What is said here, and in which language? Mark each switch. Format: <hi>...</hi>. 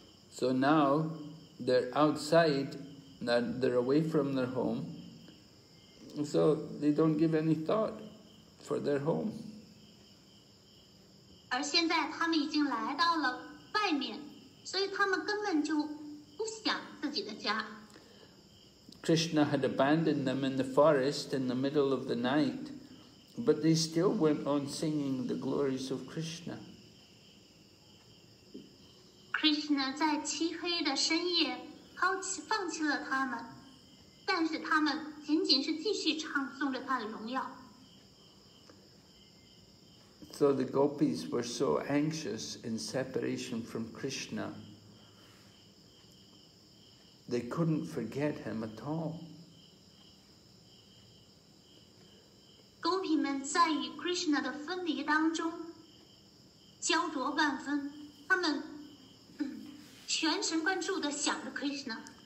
<en>So now they're outside, they're away from their home. So they don't give any thought for their home.</en> <zh>而现在他们已经来到了外面，所以他们根本就不想自己的家。</zh> <en>Krishna had abandoned them in the forest in the middle of the night, but they still went on singing the glories of Krishna.</en> <zh>Krishna 在漆黑的深夜放弃了他们。但是他们仅仅是继续唱诵着他的荣耀。</zh> <en>So the gopis were so anxious in separation from Krishna, they couldn't forget him at all.</en> <zh>勾皮们在与 Krishna 的分离当中焦灼万分，他们全神贯注地想着 Krishna。</zh>